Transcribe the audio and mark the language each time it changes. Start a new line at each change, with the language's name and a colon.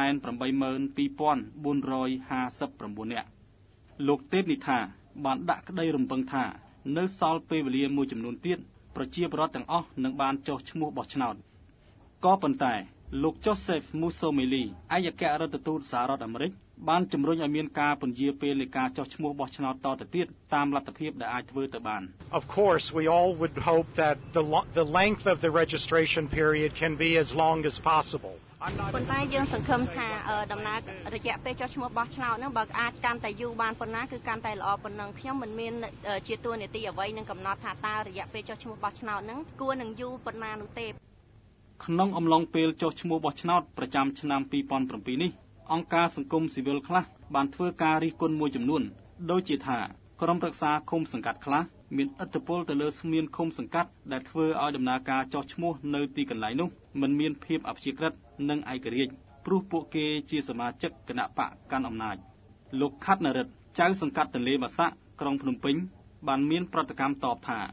Khmer: 682,459នាក់លោកទេពនិថាបានដាក់ក្តីរំពឹងថានៅសល់ពេលវេលាមួយចំនួនទៀតប្រជាពលរដ្ឋទាំងអស់នឹងបានចុះឈ្មោះបោះឆ្នោតក៏ប៉ុន្តែលោកចូសេបមូសូមីលីអាយកៈរដ្ឋទូតសហរដ្ឋអាមេរិក បានជំរុញឲ្យមានការពន្យាពេលនៃការចោះឈ្មោះបោះឆ្នោតតទៅទៀតតាមលទ្ធភាពដែលអាចធ្វើទៅបាន
English: Of course we all would hope that the length of the registration period can be as long as possible
Khmer: ប៉ុន្តែយើងសង្ឃឹមថាដំណើររយៈពេលចោះឈ្មោះបោះឆ្នោតនឹងបើអាចកាន់តែយូរបានប៉ុណ្ណាគឺកាន់តែល្អប៉ុណ្ណឹងខ្ញុំមិនមានជាទួលនីតិអ្វីនឹងកំណត់ថាតើរយៈពេលចោះឈ្មោះបោះឆ្នោតនឹងគួរនឹងយូរប៉ុណ្ណានោះទេ ក្នុងអំឡុងពេលចោះឈ្មោះបោះឆ្នោតប្រចាំឆ្នាំ2007នេះអង្គការសង្គមស៊ីវិលខ្លះបានធ្វើការរិះគន់មួយចំនួនដូចជាថាក្រុមប្រឹក្សាឃុំសង្កាត់ខ្លះមានឥទ្ធិពលទៅលើស្មានឃុំសង្កាត់ដែលធ្វើឲ្យដំណើរការចោះឈ្មោះនៅទីកន្លែងនោះមិនមានភាពអព្យាក្រឹតនិងឯករាជ្យព្រោះពួកគេជាសមាជិកគណៈបកកាន់អំណាចលោកខាត់ណរិទ្ធចៅសង្កាត់ទន្លេម៉ាសាក់ក្រុងភ្នំពេញបានមានប្រតិកម្មតបថា